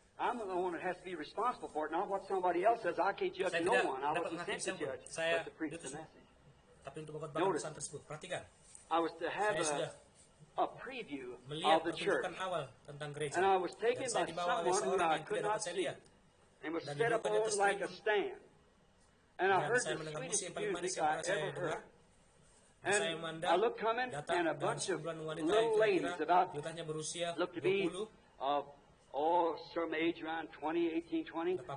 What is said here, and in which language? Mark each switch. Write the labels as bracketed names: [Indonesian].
[English] I'm the one that has to be responsible for it, not what somebody else says. I can't judge no one. I wasn't sent to judge. [Indonesian] Saya tidak dapat mengatakan siapa. Saya dutus. Tapi untuk pesan tersebut, perhatikan. [English] I was to have a preview of the church. And I was taken by someone who I could not see. And was set up on like a stand. And I heard the sweetest music I ever heard. And I looked coming and a bunch of little ladies about looked to be of some age around 20, 18, 20.